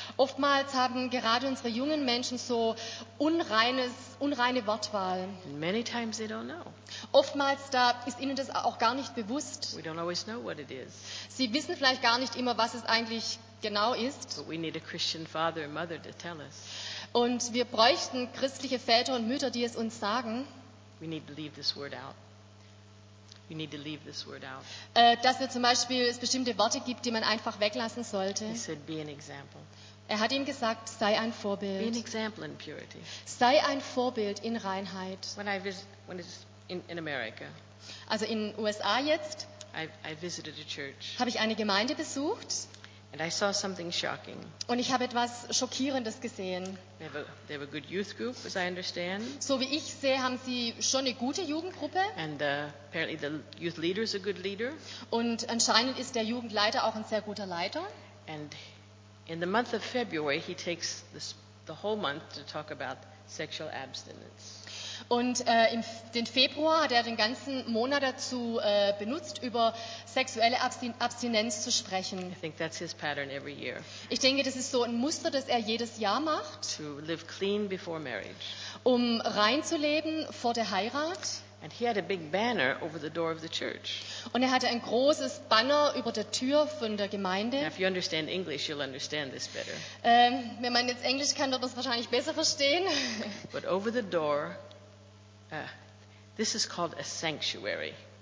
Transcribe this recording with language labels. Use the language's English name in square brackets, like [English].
[German] Oftmals haben gerade unsere jungen Menschen so unreine Wortwahl. [English] Many times they don't know. [German] Oftmals da ist ihnen das auch gar nicht bewusst. [English] We don't always know what it is. [German] Sie wissen vielleicht gar nicht immer, was es eigentlich genau ist. [English] But we need a Christian father and mother to tell us. [German] Und wir bräuchten christliche Väter und Mütter, die es uns sagen. [English] We need to leave this word out. You need to leave this word out. [German] Dass es zum Beispiel bestimmte Worte gibt, die man einfach weglassen sollte. [English] He said, be an example. [German] Er hat ihm gesagt, sei ein Vorbild. [English] Be an example in purity. [German] Sei ein Vorbild in Reinheit. [English] When in America, [German] also in USA jetzt, [English] I visited a church. [German] Habe ich eine Gemeinde besucht. [English] And I saw something shocking. [German] Und ich habe etwas Schockierendes gesehen. [English] They have a good youth group, as I understand. [German] So wie ich sehe, haben sie schon eine gute Jugendgruppe. [English] And apparently the youth leader is a good leader. [German] Und anscheinend ist der Jugendleiter auch ein sehr guter Leiter. [English] And in the month of February, he takes the whole month to talk about sexual abstinence. [German] Und den Februar hat er den ganzen Monat dazu benutzt, über sexuelle Abstinenz zu sprechen. [English] I think that's his pattern every year. [German] Ich denke, das ist so ein Muster, das er jedes Jahr macht, [English] to live clean before marriage. [German] Um rein zu leben vor der Heirat. [English] And he had a big banner over the door of the church. [German] Und er hatte ein großes Banner über der Tür von der Gemeinde. [English] Now, if you understand English, you'll understand this better. [German] Wenn man jetzt Englisch kann, wird das wahrscheinlich besser verstehen. [English] But over the door, this is called a sanctuary.